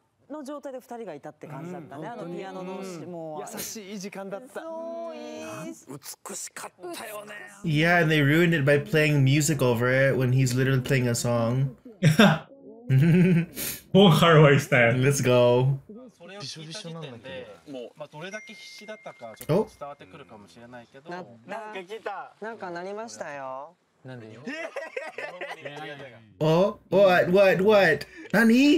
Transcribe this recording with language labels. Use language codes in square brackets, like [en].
[ja] の状態で二人がいたって感じだったね、うん、あのピアノの、うん、もう優しい時間だったすごい美しかったよね [en] Yeah, and they ruined it by playing music over it when he's literally playing a song [ja] ボンハロワイスタイル [en] Let's go [ja] それを聞いた時点でもう、まあ、どれだけ必死だったかちょっと伝わってくるかもしれないけどなんか来たなんか鳴りましたよなんでよ [en] お What? What? What? [ja] 何